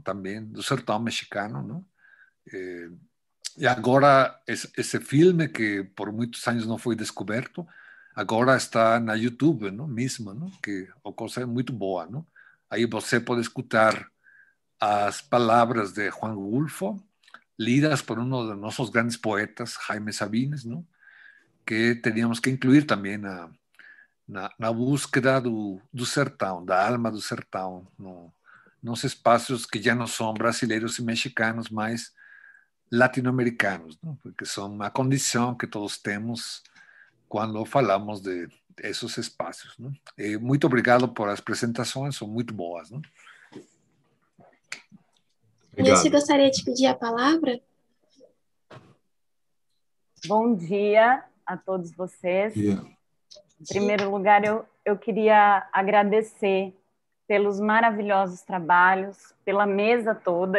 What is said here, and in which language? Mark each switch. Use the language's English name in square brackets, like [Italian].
[Portuguese] Também do sertão mexicano, não? E agora, esse filme, que por muitos anos não foi descoberto, agora está na YouTube, não? Mesmo, não? Que é uma coisa muito boa. Não? Aí você pode escutar as palavras de Juan Rulfo [Spanish] lidas por uno de nuestros grandes poetas, Jaime Sabines, ¿no? Que teníamos que incluir también en la búsqueda del sertão, de la alma del sertão, ¿no? Nos espacios que ya no son brasileños y mexicanos, más latinoamericanos, ¿no? Porque son una condición que todos tenemos cuando hablamos de esos espacios, ¿no? Muy obrigado por las presentaciones, son muy buenas, ¿no? [Portuguese] Você gostaria de pedir a palavra? Bom dia a todos vocês. Em primeiro lugar, eu queria agradecer pelos maravilhosos trabalhos, pela mesa toda.